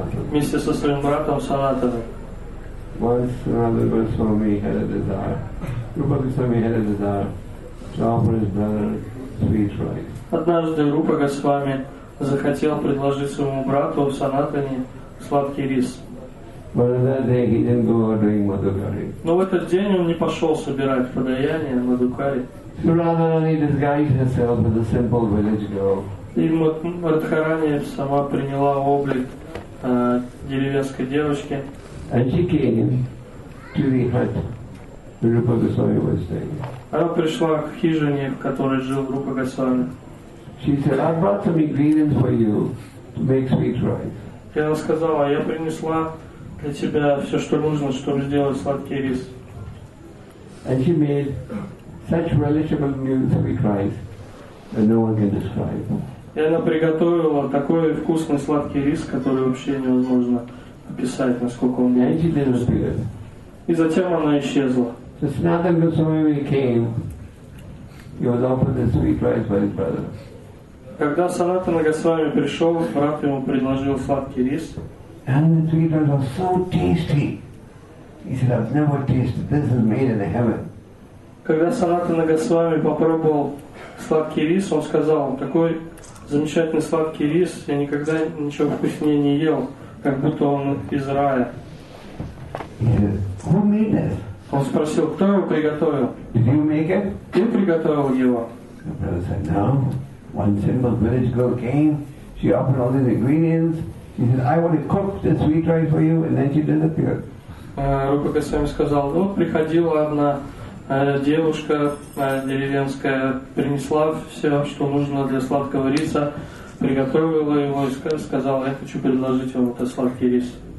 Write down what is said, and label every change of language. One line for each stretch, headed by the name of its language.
Russian: Вместе со своим братом Санатаном.
English: Once Санатана Рупа Госвами had a desire. Рупа Госвами had a desire to offer his brother sweet rice.
Russian: Однажды Рупа Госвами захотел предложить своему брату Санатане сладкий рис.
English: But on that day he didn't go doing madhukari.
Russian: Но в этот день он не пошел собирать подаяние мадхукари.
English: So Радхарани disguised herself as a simple village girl.
Russian: И Радхарани сама приняла облик деревенской девочки.
English: And she came to the hut where Rupa Goswami was staying.
Russian: Она пришла к хижине, в которой жил Рупа Госвами.
English: She said, "I brought some ingredients for you to make sweet rice."
Russian: И она сказала, я принесла для тебя все, что нужно, чтобы сделать сладкий рис.
English: And she made such relishable meals of rice that no one can describe.
Russian: И она приготовила такой вкусный сладкий рис, который вообще невозможно описать, насколько он был.
English: And she disappeared.
Russian: И затем она исчезла.
English: So Sanatana Goswami came, he was offered the sweet rice by his brother.
Russian: Когда Санатана Госвами пришел, брат ему предложил сладкий рис.
English: And the sweet rice was so tasty. He said, "I've never tasted this is made in heaven."
Russian: Когда Санатана Госвами попробовал сладкий рис, он сказал, такой замечательный сладкий рис, я никогда ничего вкуснее не ел, как будто он из рая.
English: He said, "Who made this?"
Russian: Он спросил, кто его приготовил?
English: Did you make it?
Russian: Ты приготовил его?
English: The brother said, "No. One simple village girl came, she offered all these ingredients, she said, 'I want to cook the sweet rice for you,' and then she disappeared."
Russian: Рупа Госвами сказал, ну, приходила одна девушка деревенская, принесла все, что нужно для сладкого риса, приготовила его и сказала, я хочу предложить вам этот сладкий рис.